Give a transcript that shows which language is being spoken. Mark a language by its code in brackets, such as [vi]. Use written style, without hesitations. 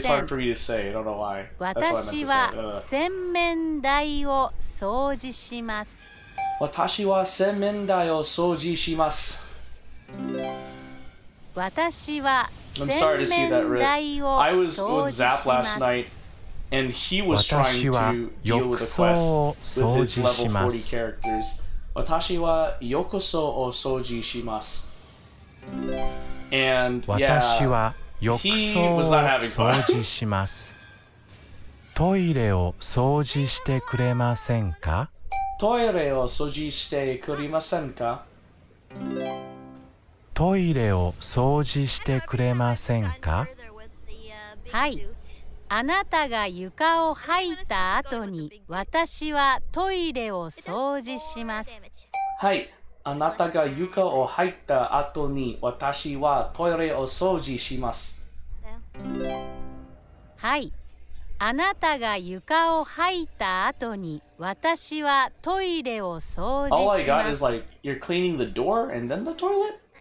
[en] It's hard for me to say. I don't know why. [ja] 私は洗面台を掃除します。私は洗面台を掃除します。私は洗面台を掃除します。 [en] I was with Zap last night. And he was trying to deal with a quest with his level 40 characters. [ja] 私は浴槽を掃除します。 [en] And yeah, [ja] 私は浴槽を掃除します。トイレを掃除してくれませんか? トイレを掃除してくれませんか? トイレを掃除してくれませんか? はい。あなたが床を吐いた後に、私はトイレを掃除します。はい、あなたが床を吐いた後に、私はトイレを掃除します。はい、あなたが床を吐いた後に、私はトイレを掃除します。 [en] All I got is like, you're cleaning the door and then the toilet?